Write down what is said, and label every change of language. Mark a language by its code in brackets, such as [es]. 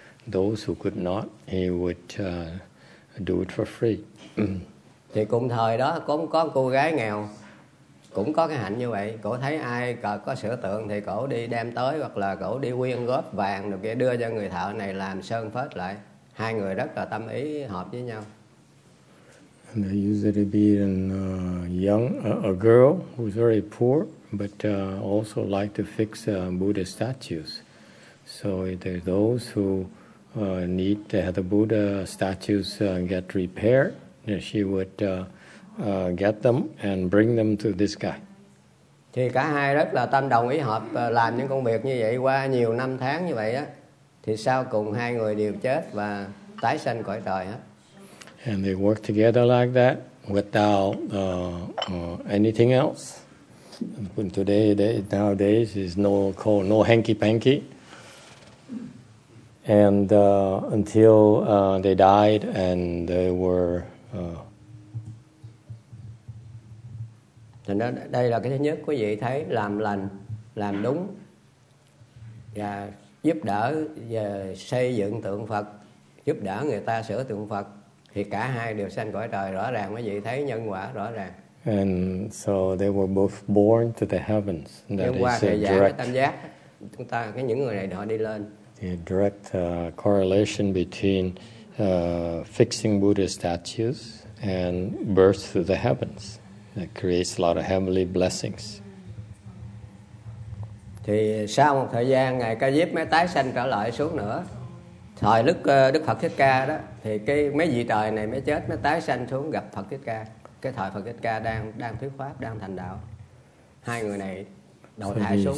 [en] Those who could not, he would do it for free. [vi] Thì cùng thời đó cũng có cô gái nghèo cũng có cái hạnh như vậy, cổ thấy ai có sửa tượng thì cổ đi đem tới, hoặc là cổ đi quyên góp vàng rồi kia đưa cho người thợ này làm sơn phết lại, hai người rất là tâm ý hợp với nhau. [en] And there used to be a girl who was very poor but also liked to fix Buddha statues. So there are those who need to have the Buddha statues get repaired, and she would get them and bring them to this guy. [vi] Thì cả hai rất là tâm đồng ý hợp làm những công việc như vậy, qua nhiều năm tháng như vậy á, thì sau cùng hai người đều chết và tái sanh cõi trời hết. [en] And they work together like that without anything else. And today, nowadays, is no called no hanky panky. And until they died, and they were. [vi] Thì nó đây là cái thứ nhất, quý vị thấy làm lành, làm đúng, và giúp đỡ và xây dựng tượng Phật, giúp đỡ người ta sửa tượng Phật. Thì cả hai đều sanh cõi trời rõ ràng, quý vị thấy nhân quả rõ ràng. [en] And so they were both born to the heavens. [vi] Nhân quả thời gian cái tam giác, chúng ta cái những người này họ đi lên. [en] The direct correlation between fixing Buddha statues and birth to the heavens that creates a lot of heavenly blessings. [vi] Thì sau một thời gian ngài Ca Diếp mới tái sanh trở lại xuống nữa. Thời lúc Đức Phật Thích Ca đó, thì cái mấy vị trời này mới chết, mới tái sanh xuống gặp Phật Thích Ca. Cái thời Phật Thích Ca đang thuyết pháp, đang thành đạo. Hai người này đầu thai xuống.